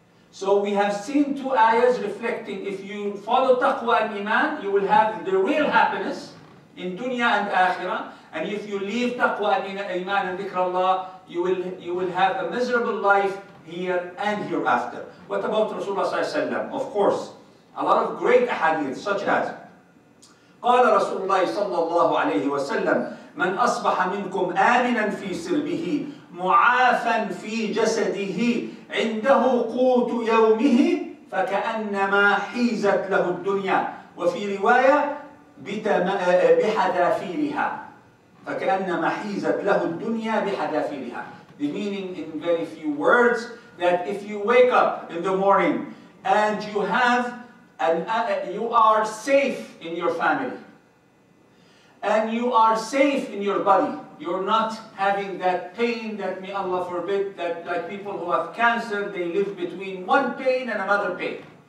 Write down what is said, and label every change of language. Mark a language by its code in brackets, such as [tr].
[en] So we have seen two ayahs reflecting, if you follow taqwa and iman, you will have the real happiness in dunya and akhirah. And if you leave taqwa and iman and dhikr Allah, you will have a miserable life here and hereafter. What about Rasulullah sallallahu alayhi wa sallam? Of course, a lot of great ahadith such as, [ar] قال رسول الله صلى الله عليه وسلم من أصبح منكم آمنا في سربه معافا في جسده عنده قوت يومه فكأنما حيزت له الدنيا. وفي رواية بحذافيرها فكأنما حيزت له الدنيا بحذافيرها. [en] The meaning in very few words that if you wake up in the morning and you have you are safe in your family and you are safe in your body, you're not having that pain that may Allah forbid, that like people who have cancer, they live between one pain and another pain.